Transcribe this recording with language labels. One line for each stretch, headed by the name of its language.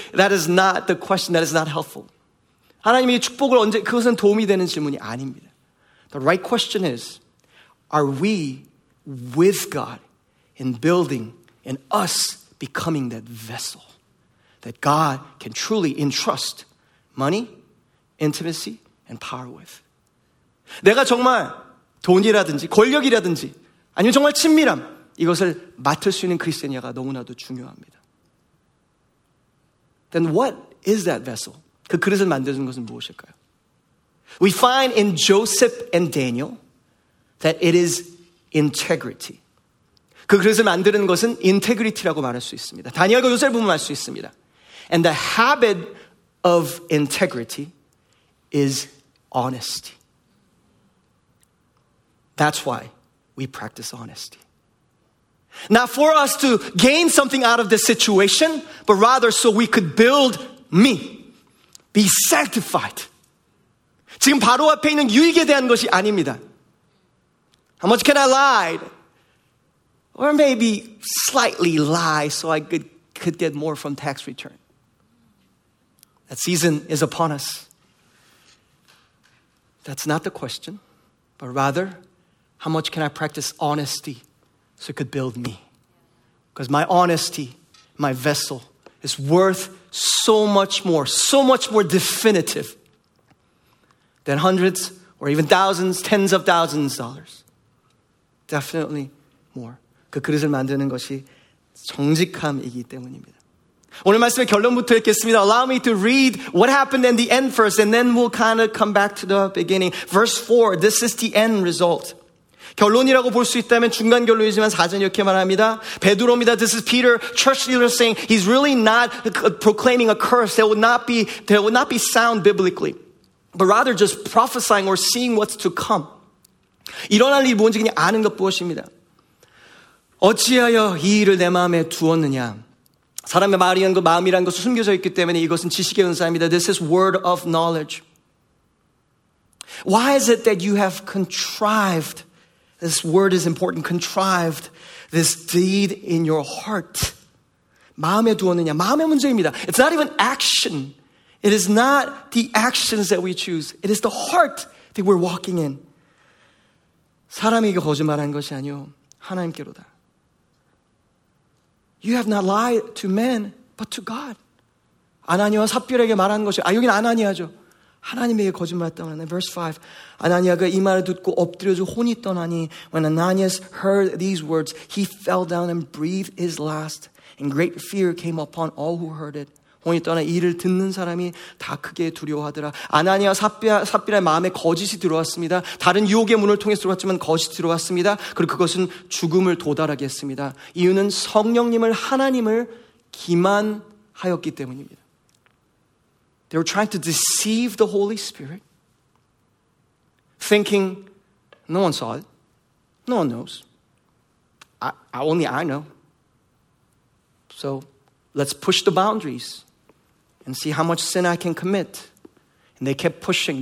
English: That is not the question. That is not helpful.
Korean: 하나님이 축복을 언제, 그것은 도움이 되는 질문이 아닙니다.
English: The right question is, are we with God in building and us becoming that vessel that God can truly entrust money, intimacy, and power with?
Korean: 내가 정말 돈이라든지 권력이라든지 아니면 정말 친밀함, 이것을 맡을 수 있는 크리스천이냐가 너무나도 중요합니다.
English: Then what is that vessel?
Korean: 그 그릇을 만드는 것은 무엇일까요?
English: We find in Joseph and Daniel that it is integrity.
Korean: 그 그릇을 만드는 것은 integrity라고 말할 수 있습니다. 다니엘과 요셉을 보면 알 수 있습니다.
English: And the habit of integrity is honesty. That's why we practice honesty. Not for us to gain something out of this situation, but rather so we could build me. Be sanctified.
Korean: 지금 바로 앞에 있는 유익에 대한 것이 아닙니다.
English: How much can I lie? Or maybe slightly lie so I could get more from tax return. That season is upon us. That's not the question, but rather, how much can I practice honesty so it could build me? Because my honesty, my vessel, is worth so much more definitive than hundreds or even thousands, tens of thousands of dollars. Definitely more.
Korean: 그 그릇을 만드는 것이 정직함이기 때문입니다. 오늘 말씀의 결론부터 읽겠습니다.
English: Allow me to read what happened in the end first, and then we'll kind of come back to the beginning. Verse 4, this is the end result.
Korean: 결론이라고 볼 수 있다면 중간 결론이지만 4절 이렇게 말합니다. 베드로입니다.
English: This is Peter, church leader saying he's really not proclaiming a curse. That would not be sound biblically, but rather just prophesying or seeing what's to come.
Korean: 일어날 일이 뭔지 그냥 아는 것 무엇입니다. 어찌하여 이 일을 내 마음에 두었느냐. 사람의 말이란 것, 마음이란 것은 숨겨져 있기 때문에 이것은 지식의 은사입니다.
English: This is word of knowledge. Why is it that you have contrived, this word is important, contrived this deed in your heart?
Korean: 마음에 두었느냐. 마음의 문제입니다.
English: It's not even action. It is not the actions that we choose. It is the heart that we're walking in.
Korean: 사람에게 거짓말한 것이 아니오 하나님께로다.
English: You have not lied to men, but to God.
Korean: 아나니아와 삽비라에게 말한 것이 아 여기는 아나니아죠. 하나님에게 거짓말했다고 하네.
English: Verse 5.
Korean: 아나니아가 이 말을 듣고 엎드려서 혼이 떠나니
English: When Ananias heard these words, he fell down and breathed his last. And great fear came upon all who heard it.
Korean: 혼이 떠나 이를 듣는 사람이 다 크게 두려워하더라. 아나니아 삽비라의 마음에 거짓이 들어왔습니다. 다른 유혹의 문을 통해서 들어왔지만 거짓이 들어왔습니다. 그리고 그것은 죽음을 도달하게 했습니다. 이유는 성령님을 하나님을 기만하였기 때문입니다.
English: They were trying to deceive the Holy Spirit, thinking no one saw it, no one knows. Only I know. So let's push the boundaries and see how much sin I can commit. And they kept pushing.